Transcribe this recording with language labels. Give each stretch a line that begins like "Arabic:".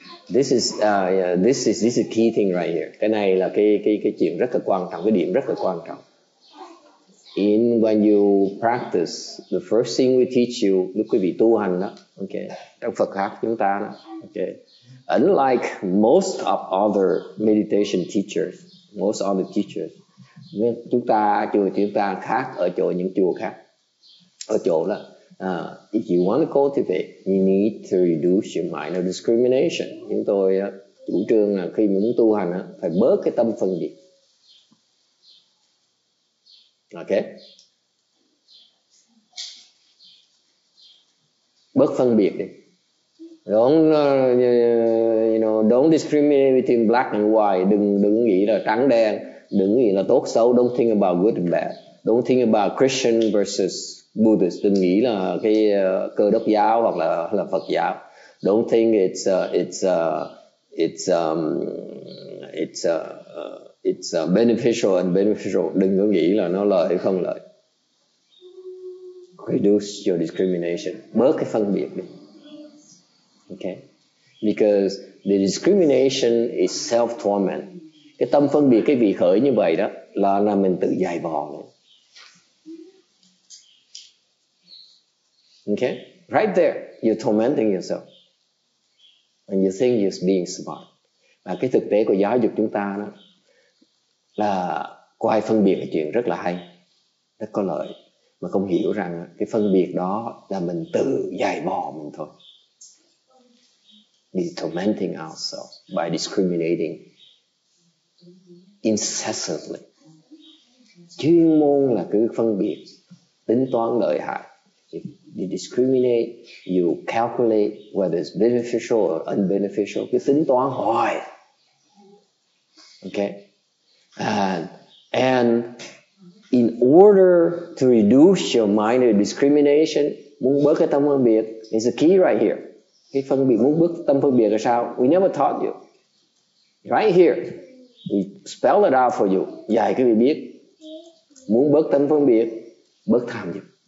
English: This is this is key thing right here.
Vietnamese: Cái này là cái chuyện rất là quan trọng, cái điểm rất là quan trọng.
English: In when you practice, the first thing we teach you,
Vietnamese: lúc quý vị tu hành đó, okay, trong Phật học chúng ta đó, okay. Unlike most of other meditation teachers, most other teachers, chúng ta chùa chúng ta khác ở chỗ những chùa khác, ở chỗ đó.
English: If you want to cultivate, you need to reduce your mind of discrimination.
Vietnamese: Chúng tôi chủ trương là khi muốn tu hành phải bớt cái tâm phân biệt. Okay. Bớt phân biệt đi.
English: Don't discriminate between black and white.
Vietnamese: Đừng nghĩ là trắng đen, đừng nghĩ là tốt xấu.
English: Don't think about good and bad. Don't think about Christian versus Buddhist,
Vietnamese: đừng nghĩ là cái Cơ Đốc giáo hoặc là Phật giáo.
English: Don't think it's beneficial and beneficial.
Vietnamese: Đừng có nghĩ là nó lợi hay không lợi.
English: Reduce your discrimination.
Vietnamese: Bớt cái phân biệt đi. Okay.
English: Because the discrimination is self torment.
Vietnamese: Cái tâm phân biệt cái vị khởi như vậy đó là mình tự giày vò.
English: Okay, right there, you're tormenting yourself, and you think you're being smart.
Vietnamese: Và cái thực tế của giáo dục chúng ta đó là coi phân biệt là chuyện rất là hay, rất có lợi, mà không hiểu rằng cái phân biệt đó là mình tự giày vò mình thôi.
English: We're tormenting ourselves by discriminating incessantly.
Vietnamese: Chuyên môn là cứ phân biệt, tính toán lợi hại.
English: You discriminate, you calculate whether it's beneficial or unbeneficial.
Vietnamese: Cứ tính toán hoài. Okay?
English: And in order to reduce your mind of discrimination,
Vietnamese: muốn bớt cái tâm phân biệt,
English: it's a key right here.
Vietnamese: Cái phân biệt, muốn bớt tâm phân biệt là sao?
English: We never taught you. Right here. We spell it out for you.
Vietnamese: Dạy quý vị biết. Muốn bớt tâm phân biệt, bớt tham dục.